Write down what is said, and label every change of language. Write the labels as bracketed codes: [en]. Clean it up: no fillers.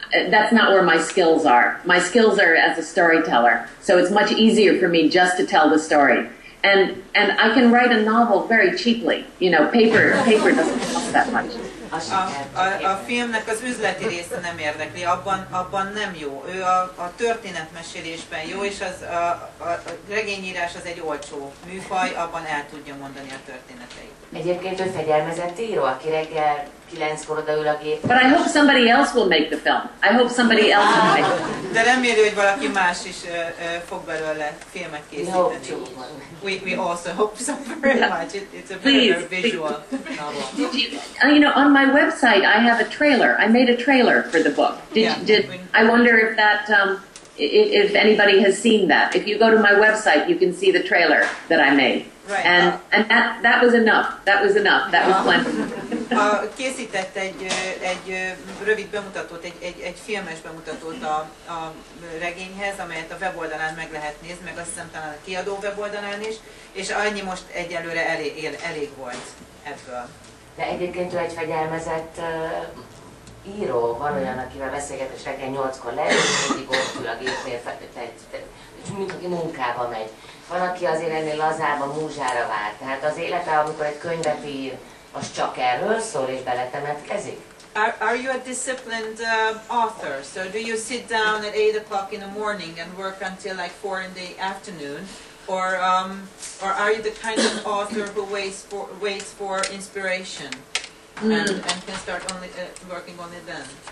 [en] That's not where my skills are. My skills are as a storyteller. So it's much easier for me just to tell the story. And I can write a novel very cheaply. You know, paper doesn't cost that much. [hu] A filmnek az üzleti része nem érdekli, abban nem jó. Ő a történetmesélésben jó, és az a regényírás az egy olcsó műfaj, abban el tudja mondani a történeteit. Egyébként ő fegyelmezett író, aki reggel 9-kor odaül a gép. [en] But I hope somebody else will make the film. I hope somebody else will make it. [hu] De reméli, hogy valaki más is fog belőle filmet készíteni. [en] We hope too. We also hope so very much. It's a very visual novel. You know, on my website I have a trailer. I made a trailer for the book. I wonder if that, if anybody has seen that. If you go to my website, you can see the trailer that I made. Right. And that was enough. That was enough. That was plenty. [hu] Készített egy rövid bemutatót, egy filmes bemutatót a regényhez, amelyet a weboldalán meg lehet nézni, meg azt hiszem talán a kiadó weboldalán is, és annyi most egyelőre elég volt ebből. De egyébként ő egy fegyelmezett író, van olyan, akivel beszélgetés reggel 8-kor leül, és mindig ott ül a gépnél, mint aki munkába megy. Van, aki azért ennél lazább a múzsára vár. Tehát az élete, amikor egy könyvet ír, az csak erről szól és beletemetkezik. [en] Are you a disciplined author? So do you sit down at 8 o'clock in the morning and work until like 4 in the afternoon? Or are you the kind of author who waits for inspiration? And can start only working on it then.